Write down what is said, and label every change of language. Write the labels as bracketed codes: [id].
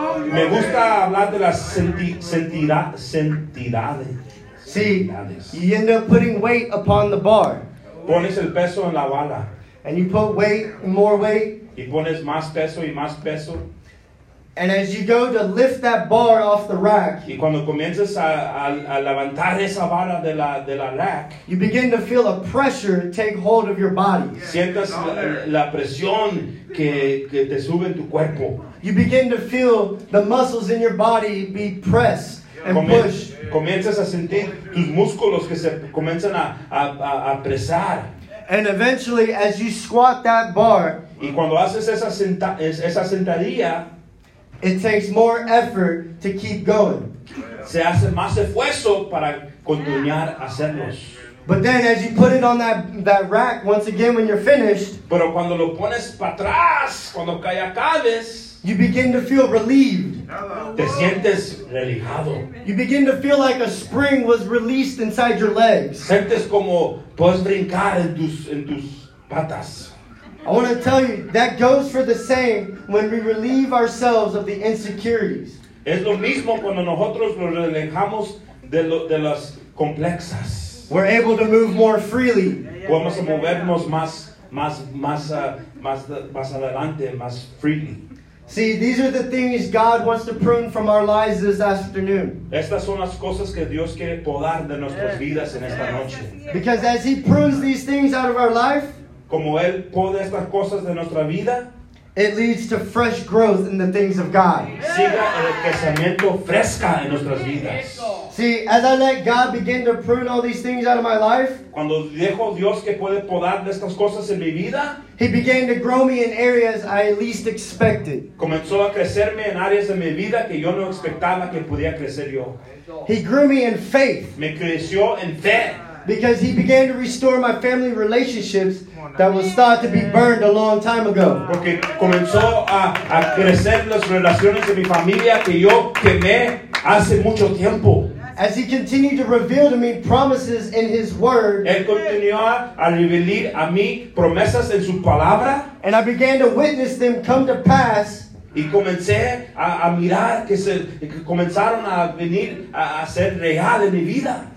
[es] Me gusta hablar de las sentidades. [en] See, you end up putting weight upon the bar. [es] Pones el peso en la bala. [en] And you put weight, more weight. [es] Y pones más peso y más peso. [en] And as you go to lift that bar off the rack, [es] y cuando comienzas a levantar esa vara de la rack, [en] you begin to feel a pressure take hold of your body. [es] Sientas la presión que te sube en tu cuerpo. [en] You begin to feel the muscles in your body be pressed and pushed. [es] Comienzas a sentir tus músculos que se comienzan a presar. [en] And eventually, as you squat that bar, [es] y cuando haces esa sentadilla, [en] it takes more effort to keep going. [es] Se hace más esfuerzo para continuar hacerlos. [en] But then, as you put it on that rack once again when you're finished, [es] pero cuando lo pones para atrás, cuando ya acabes, [en] you begin to feel relieved. [es] Te sientes relajado. [en] You begin to feel like a spring was released inside your legs. [es] Sientes como puedes brincar en tus patas. [en] I want to tell you, that goes for the same when we relieve ourselves of the insecurities. [es] Es lo mismo cuando nosotros nos relajamos de las complexas. [en] We're able to move more freely. [es] Podemos movernos más adelante, más freely. [en] See, these are the things God wants to prune from our lives this afternoon. [es] Estas son las cosas que Dios quiere podar de nuestras vidas en esta noche. [en] Because as He prunes these things out of our life, [es] como Él poda estas cosas de nuestra vida, [en] it leads to fresh growth in the things of God. [es] Siga el crecimiento fresca en nuestras vidas. [en] See, as I let God begin to prune all these things out of my life, [es] cuando dejo Dios que puede podar de estas cosas en mi vida, [en] He began to grow me in areas I least expected. [es] Comenzó a crecerme en áreas de mi vida que yo no expectaba que podía crecer yo. [en] He grew me in faith. [es] Me creció en fe. [en] Because He began to restore my family relationships that was thought to be burned a long time ago. [es] Porque comenzó a crecer las relaciones de mi familia que yo quemé hace mucho tiempo. [en] As He continued to reveal to me promises in His Word, [es] Él continuó a revelar a mí promesas en su palabra, [en] and I began to witness them come to pass, [es] y comencé a mirar que comenzaron a venir a ser real en mi vida.